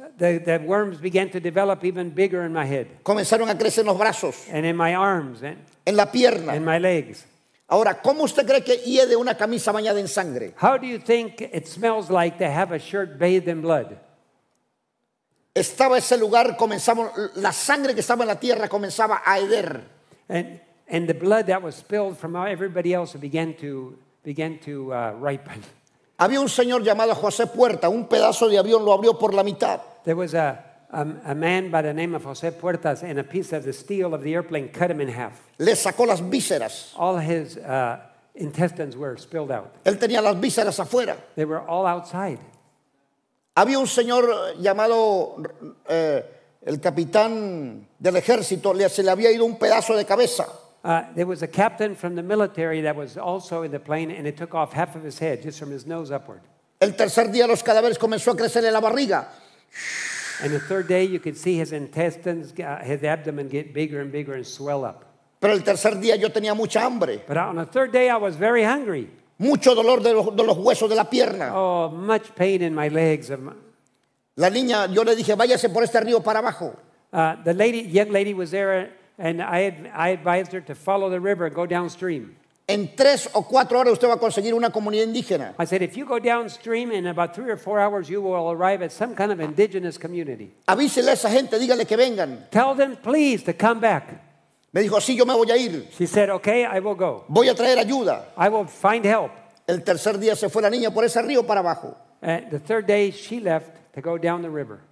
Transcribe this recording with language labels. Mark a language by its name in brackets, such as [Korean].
[English] The worms began to develop even bigger in my head. [Spanish] Comenzaron a crecer en los brazos. [English] And in my arms. And [Spanish] en la pierna. [English] In my legs. [Spanish] Ahora, ¿cómo usted cree que hiede una camisa bañada en sangre? [English] How do you think it smells like to have a shirt bathed in blood? [Spanish] Estaba ese lugar, comenzamos, la sangre que estaba en la tierra comenzaba a heder. [English] And the blood that was spilled from everybody else began to ripen. [Spanish] Había un señor llamado José Puerta, un pedazo de avión lo abrió por la mitad. [English] There was a man by the name of José Puertas, and a piece of the steel of the airplane cut him in half. [Spanish] Le sacó las vísceras. [English] All his intestines were spilled out. [Spanish] Él tenía las vísceras afuera. [English] They were all outside. [Spanish] Había un señor llamado el capitán del ejército, se le había ido un pedazo de cabeza. [English] There was a captain from the military that was also in the plane, and it took off half of his head, just from his nose upward. [Spanish] El tercer día los cadáveres comenzó a crecer en la barriga. [English] And the third day you could see his intestines, his abdomen get bigger and bigger and swell up. [Spanish] Pero el tercer día yo tenía mucha hambre. [English] But on the third day I was very hungry. [Spanish] Mucho dolor de los huesos de la pierna. [English] Oh, much pain in my legs. [Spanish] La niña, yo le dije, váyase por este río para abajo. [English] The lady, young lady was there, and I advised her to follow the river, go downstream. [Spanish] En tres o cuatro horas usted va a conseguir una comunidad indígena. [English] I said, if you go downstream in about three or four hours, you will arrive at some kind of indigenous community. [Spanish] Avísele a esa gente, dígale que vengan. [English] Tell them, please, to come back. [Spanish] Me dijo, sí, yo me voy a ir. [English] She said, okay, I will go. [Spanish] Voy a traer ayuda. [English] I will find help. [Spanish] El tercer día se fue la niña por ese río para abajo. [English] And the third day she left to go down the river.